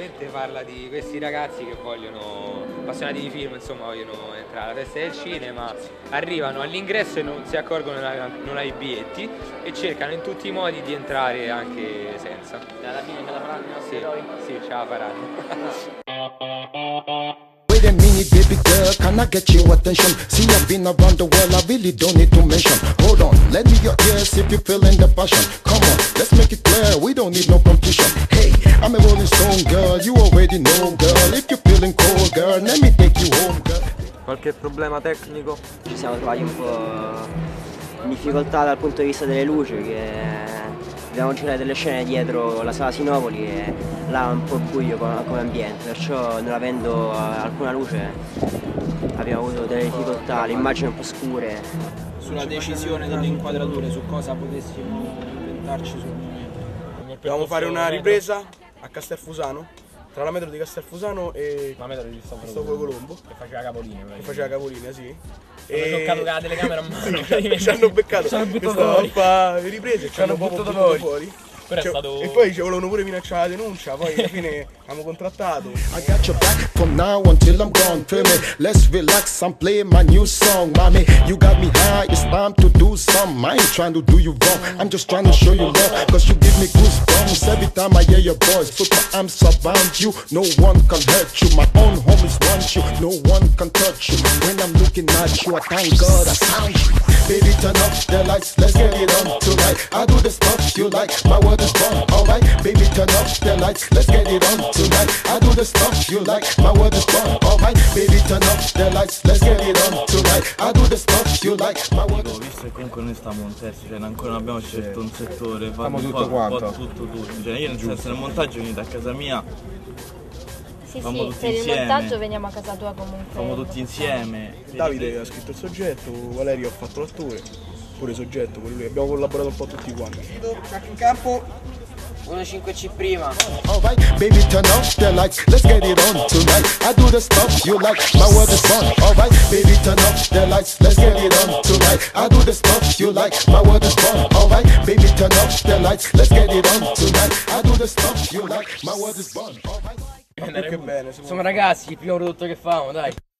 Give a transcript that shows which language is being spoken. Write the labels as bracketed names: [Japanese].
[Italian] Parla di questi ragazzi che vogliono, appassionati di film, insomma, vogliono entrare alla festa del cinema, arrivano all'ingresso e non si accorgono che non hai i biglietti e cercano in tutti i modi di entrare anche senza. Alla fine ce la faranno i nostri eroi? Sì, ce la faranno. [English] Wait a minute, baby girl, can I get your attention? See, I've been around the world, I really don't need to mention. Hold on, let me your ears if you're feeling the passion. Come on, let's make it clear, we don't need no competition. Hey, I'm a rolling stone girl, you already know girl. If you're feeling cold girl, let me take you home girl. [Italian] qualche problema tecnico. Ci siamo trovati un po' in difficoltà dal punto di vista delle luci, che dobbiamo girare delle scene dietro la sala Sinopoli e là è un po' buio come ambiente, perciò non avendo alcuna luce abbiamo avuto delle difficoltà, le immagini un po' scure. Sulla decisione delle inquadrature, su cosa potessimo inventarci sul momento. Dobbiamo fare una ripresa a Castelfusano, tra la metro di Castelfusano e la metro di Cristoforo Colombo, che faceva capolinea. Che faceva capolinea, sì. E ho toccato che la telecamera a mano. Sì, ci hanno beccato. Ci hanno buttato fuori. Riprese, ci hanno buttato fuori. Però cioè, è stato... E poi ci volevano pure minacciare la denuncia, poi alla fine abbiamo contrattato. [English] I got your back from now until I'm gone. Feel me, let's relax and play my new song. Mommy, you got me high, it's time to do some. I ain't trying to do you wrong, I'm just trying to show you love. Cause you give me goosebumps every time I hear your voice. Put my arms around you, no one can hurt you. My own homies want you, no one can touch you. When I'm looking at you, I thank God I found you. Baby, turn up the lights, let's get it on tonight. I do the stuff you like, my world is fun, alright. Baby, turn up the lights, let's get it on tonight. I do the stuff you like, my world is fun, alright. Baby, turn up the lights, let's get it on tonight. I do the stuff you like, my world is fun. [Italian] Visto che comunque noi stiamo in testa, cioè ancora non abbiamo scelto un settore. Facciamo tutto quanto. Tutto. Cioè, io nel senso, nel montaggio venite a casa mia. Sì, famo sì, tutti per insieme. Il montaggio veniamo a casa tua comunque. Famo tutti insieme. Davide ha scritto il soggetto, Valerio ha fatto l'attore, pure il soggetto, con lui. Abbiamo collaborato un po' tutti quanti. Cacchio in campo. 1-5-C prima. [English] Alright, baby, turn off the lights, let's get it on tonight. I do the stuff you like, my world is fun. Alright, baby, turn off the lights, let's get it on tonight. I do the stuff you like, my world is fun. Alright, baby, turn off the lights, let's get it on tonight. I do the stuff you like, my world is fun. [Italian] Che bene, insomma ragazzi, il primo prodotto che famo, dai.